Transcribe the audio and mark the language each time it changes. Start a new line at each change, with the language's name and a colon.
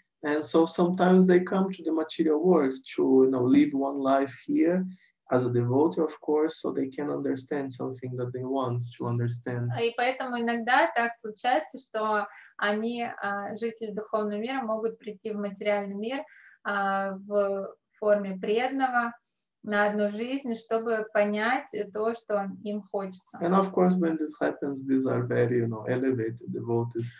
English: And so sometimes they come to the material world to, you know, live one life here as a devotee, of course, so they can understand something that they want to understand.
Russian: И поэтому иногда так случается, что они, жители духовного мира, могут прийти в материальный мир в форме преданного на одну жизнь, чтобы понять то, что им хочется.
English: And of course, when this happens, these are very, you know, elevated devotees.